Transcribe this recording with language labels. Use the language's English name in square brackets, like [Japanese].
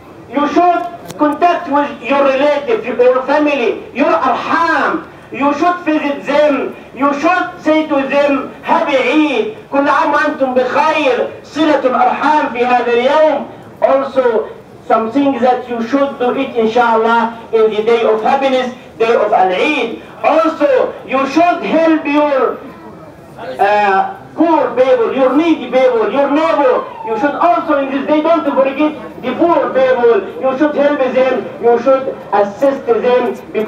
[English] You should contact with your relative, your family, your arham. You should visit them. You should say to them, Happy Eid. [Arabic] كل عام أنتم بخير. صلة الأرحام في هذا اليوم. [English] Also, something that you should do it, inshallah, in the day of happiness, day of Al-Eid. Also, you should help your poor people, your needy people, your neighbor. You should also, in this day, don't forget the poor people. You should help them. You should assist them. Because